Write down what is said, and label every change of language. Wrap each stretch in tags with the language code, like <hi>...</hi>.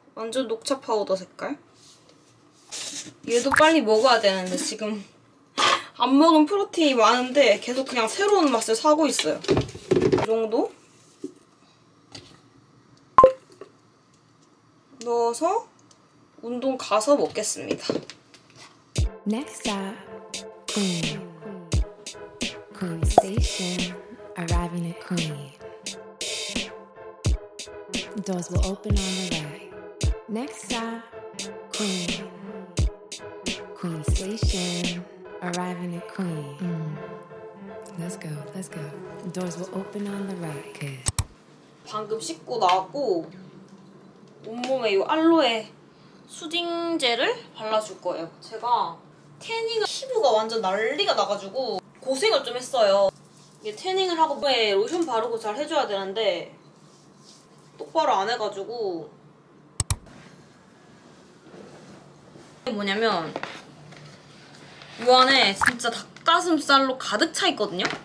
<ko>완전 녹차 파우더 색깔. 얘도 빨리 먹어야 되는데 지금 안 먹은 프로틴이 많은데 계속 그냥 새로운 맛을 사고 있어요. 이 정도 넣어서 운동 가서 먹겠습니다.</ko> <en>Next stop, Kumi Station, arriving at Kumi. Doors will open on the right. Next stop, Kumi. Kumi Station, arriving at Kumi. Let's go, let's go. Doors will open on the right. Good.</en> <ko>방금 씻고 나왔고 온몸에 이 알로에 수딩젤을 발라줄 거예요. 제가 태닝을 피부가 완전 난리가 나가지고 고생을 좀 했어요. 이게 태닝을 하고 왜 로션 바르고 잘 해줘야 되는데 똑바로 안 해가지고 이게 뭐냐면 이 안에 진짜 닭가슴살로 가득 차 있거든요.</ko>